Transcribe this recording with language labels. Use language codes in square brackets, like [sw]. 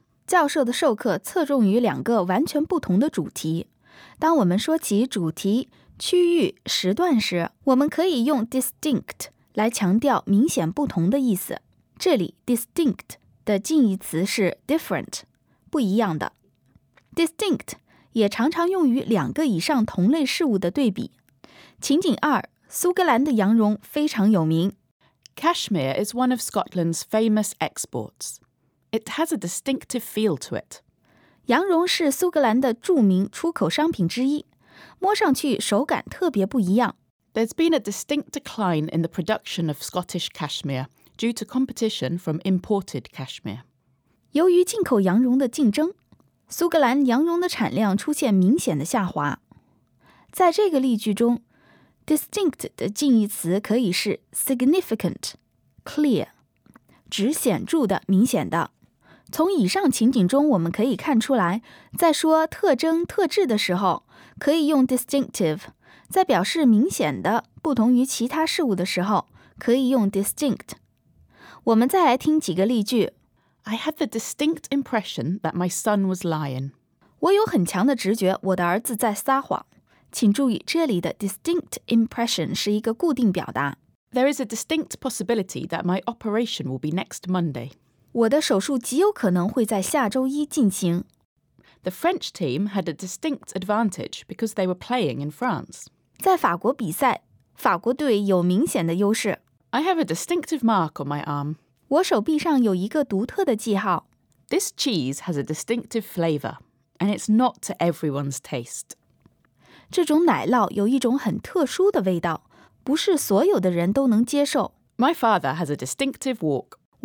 [zh] 教授的授课侧重于两个完全不同的主题。当我们说起主题、区域、时段时，我们可以用 distinct 来强调明显不同的意思。这里 distinct 的近义词是 different, 不一样的。 Distinct 也常常用于两个以上同类事物的对比。情景二，苏格兰的羊绒非常有名。 [en] Cashmere is one of Scotland's famous exports. It has a distinctive feel to it. [zh] 羊绒是苏格兰的著名出口商品之一，摸上去手感特别不一样。 [en] There's been a distinct decline in the production of Scottish cashmere due to competition from imported cashmere. [zh] 由于进口羊绒的竞争，苏格兰羊绒的产量出现明显的下滑。在这个例句中，Distinct 的近义词可以是 significant, clear, 指显著的、明显的。从以上情景中我们可以看出来，在说特征、特质的时候，可以用 distinctive, 在表示明显的、不同于其他事物的时候，可以用 distinct。我们再来听几个例句。 [en] I had the distinct impression that my son was lying. [zh] 我有很强的直觉，我的儿子在撒谎。请注意，这里的 distinct impression 是一个固定表达。 [en] There is a distinct possibility that my operation will be next Monday. [zh] 我的手术极有可能会在下周一进行。 [en] The French team had a distinct advantage because they were playing in France. [zh] 在法国比赛，法国队有明显的优势。 [en] I have a distinctive mark on my arm. [zh] 我手臂上有一个独特的记号。 [en] This cheese has a distinctive flavor, and it's not to everyone's taste. [zh] 这种奶酪有一种很特殊的味道，不是所有的人都能接受。 [en] My father has a distinctive walk.